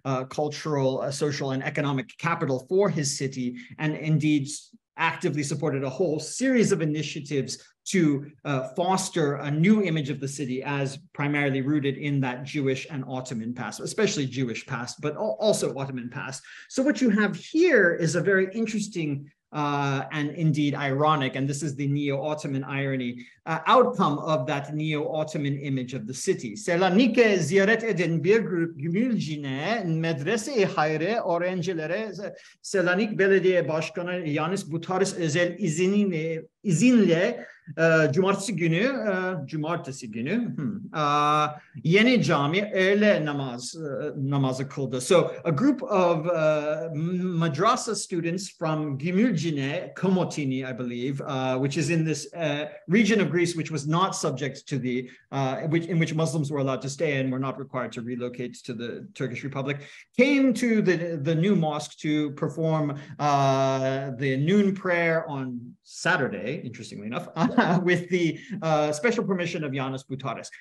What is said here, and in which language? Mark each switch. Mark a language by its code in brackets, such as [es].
[en] cultural, social, and economic capital for his city, and indeed actively supported a whole series of initiatives to foster a new image of the city as primarily rooted in that Jewish and Ottoman past, especially Jewish past, but also Ottoman past. So what you have here is a very interesting and indeed ironic, and this is the Neo-Ottoman irony, outcome of that Neo-Ottoman image of the city. [tr] Selanike ziyaret eden bir grup gümülcine medrese-i hayre öğrencilere Selanik Belediye Başkanı Yanis Butaris özel izinle cumartesi günü yeni cami öğle namazı kıldı. [en] So a group of madrasa students from Gümülcine, Komotini, I believe, which is in this region of Greece which was not subject to the in which Muslims were allowed to stay and were not required to relocate to the Turkish Republic, came to the new mosque to perform the noon prayer on Saturday, interestingly enough, with the special permission of Yanis Boutaris.